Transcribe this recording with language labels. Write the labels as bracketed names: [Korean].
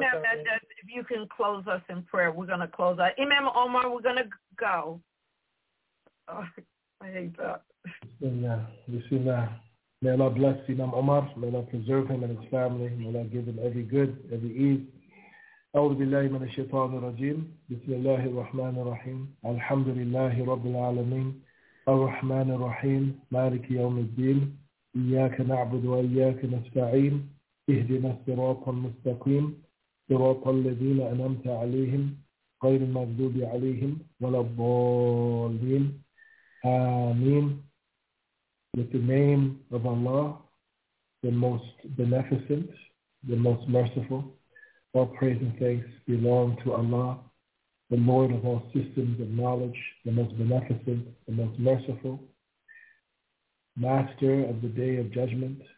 [English] what that Mendez, if you can close us in prayer, we're going to close out. Imam Omar, we're going to go. Oh, I hate that. Bismillah. May Allah bless Imam Omar. May Allah preserve him and his family. May Allah give him every good, every ease. [Arabic] أعوذ بالله من الشيطان الرجيم بسم الله الرحمن الرحيم الحمد لله رب العالمين الرحمن الرحيم مالك يوم الدين إياك نعبد وإياك نستعين اهدنا الصراط المستقيم صراط الذين أنعمت عليهم غير المغضوب عليهم ولا الضالين آمين. [English] With the name of Allah, the most beneficent, the most merciful, all praise and thanks belong to Allah, the Lord of all systems of knowledge, the most beneficent, the most merciful, Master of the Day of Judgment.